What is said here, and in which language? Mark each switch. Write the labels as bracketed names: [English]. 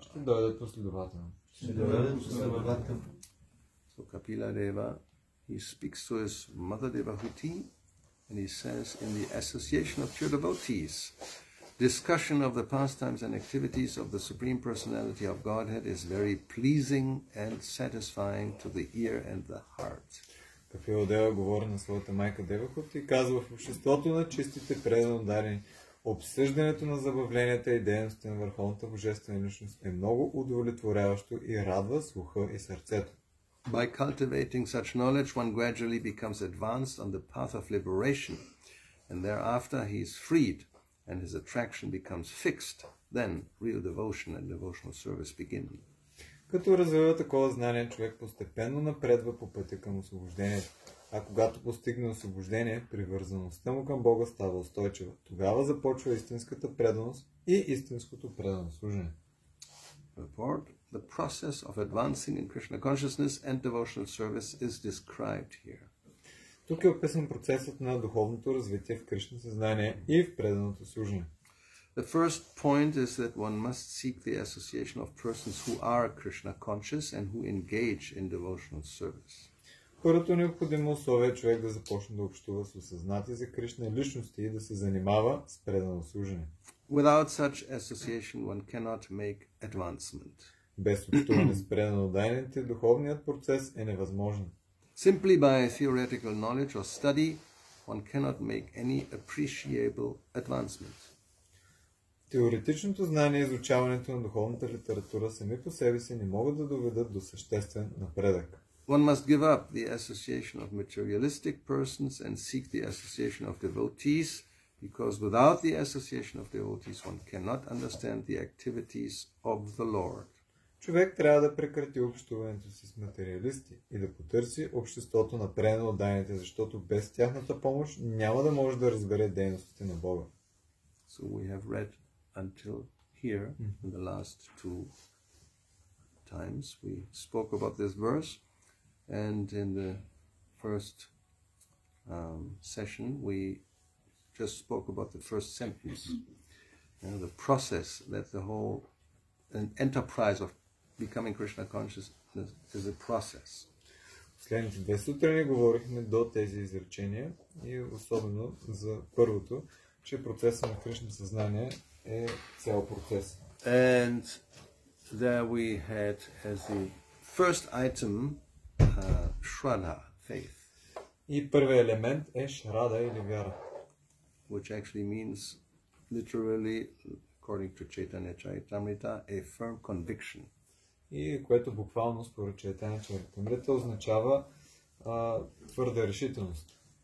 [Bulgarian] Ще дойдат последователно. Ще дойдат последователно. [English] So Kapila Deva, he speaks to his mother Devahuti, and he says in the association of pure devotees, discussion of the pastimes and activities of the Supreme Personality of Godhead is very pleasing and satisfying to the ear and the heart. [Bulgarian] Кафила Дева говори на своята майка Девахут и казва в обществото на чистите предано дарени. Обсъждането на забавленията и дейностите на Върховната Божествена личност е много удовлетворяващо и радва слуха и сърцето. [English] By cultivating such knowledge, one gradually becomes advanced on the path of liberation, and thereafter he is freed, and his attraction becomes fixed. Then real devotion and devotional service begin. [Bulgarian] Като развива такова знание, човек постепенно напредва по пътя към освобождението. А когато постигне освобождение, привързаността му към Бога става устойчива. Тогава започва истинската преданост и истинското предано служение. [English] Report the process of advancing in Krishna consciousness and devotional service is described here. [Bulgarian] Тук е описан процесът на духовното развитие в Кришна съзнание и в преданото служение. [English] The first point is that one must seek the association of persons who are Krishna conscious and who engage in devotional service. [Bulgarian] Първото необходимо условие е човек да започне да общува с осъзнати за Кришна личности и да се занимава с предано служене. [English] Without such association one cannot make advancement. [Bulgarian] Без общуване с предано дайните, духовният процес е невъзможен. [English] Simply by theoretical knowledge or study one cannot make any appreciable advancement. [Bulgarian] Теоретичното знание и изучаването на духовната литература сами по себе си не могат да доведат до съществен напредък. [English] One must give up the association of materialistic persons and seek the association of devotees, because without the association of devotees one cannot understand the activities of the Lord. [Bulgarian] Човек трябва да прекрати общуването си с материалисти и да потърси обществото на предано дайните, защото без тяхната помощ няма да може да разбере дейностите на Бога. [English] So we have read until here, in the last two times, we spoke about this verse, and in the first session, we just spoke about the first sentence, you know, the process that the whole an enterprise of becoming Krishna consciousness is a process. [Bulgarian] Последните две сутрини говорихме до тези изречения, и особено за първото, че процесът на Кришна съзнание е цял процес. [English] And there we had as the first item shraddha, faith. [Bulgarian] И първият елемент е шрада или вяра. [English] Which actually means literally, according to Chaitanya Charitamrita, a firm conviction. [Bulgarian] И което буквално според Chaitanya Charitamrita означава твърда решителност.